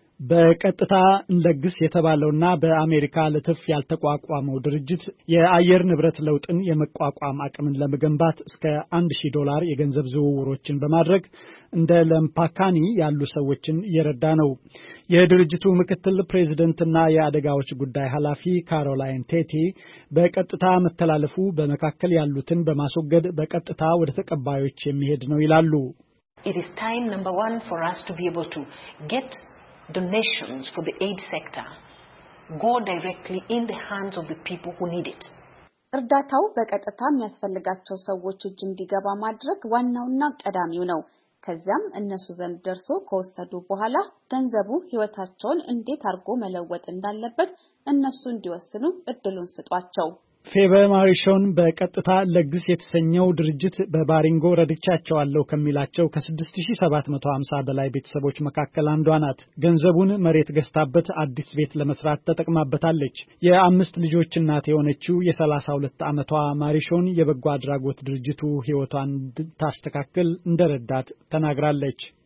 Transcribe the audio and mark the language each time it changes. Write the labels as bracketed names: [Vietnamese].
[Amharic] በቀጥታ እንደግስ የተባለውና በአሜሪካ ለትፍ ያልተቋቋመው ድርጅት የአየር ንብረት ለውጥን የመቋቋም አቅምን ለመገንባት እስከ 1000 ዶላር የገንዘብ ዝውውሮችን በማድረግ እንደ ለምፓካኒ ያሉ ሰዎችን እየረዳ ነው። የድርጅቱ ምክትል ፕሬዝዳንትና የአደጋዎች ጉዳይ ኃላፊ ካሮላይን ቴቲ በቀጥታ መተላለፉ በመካከል ያሉትን በማስወገድ በቀጥታ ወደ ተቀባዮች የሚሄድ ነው ይላሉ። [English] It is time number 1 for us to be able to get donations for the aid sector go directly in the hands of the people who need it. [Amharic] እርዳታው በቀጥታ የሚያስፈልጋቸው ሰዎች እጅ እንዲገባ ማድረግ ዋናውና ቀዳሚው ነው። ከዛም እነሱ ዘንድ ደርሶ ከወሰዱ በኋላ ገንዘቡ ህይወታቸውን እንዴት አርጎ መለወጥ እንዳለበት እነሱ እንዲወስኑ እድሉን ስጧቸው። ፌቨር ማሪሾን በቀጥታ ለግስ የተሰኘው ድርጅት በባሪንጎ ረድቻቸው አለው ከሚላቸው ከ6750 በላይ ቤተሰቦች መካከል አንዷ ናት። ገንዘቡን መሬት ገዝታበት አዲስ ቤት ለመስራት ተጠቅማበታለች። የአምስት ልጆች እናት የሆነችው የ32 ዓመቷ ማሪሾን የበጎ አድራጎት ድርጅቱ ህይወቷን ታስተካክል እንደረዳት ተናግራለች።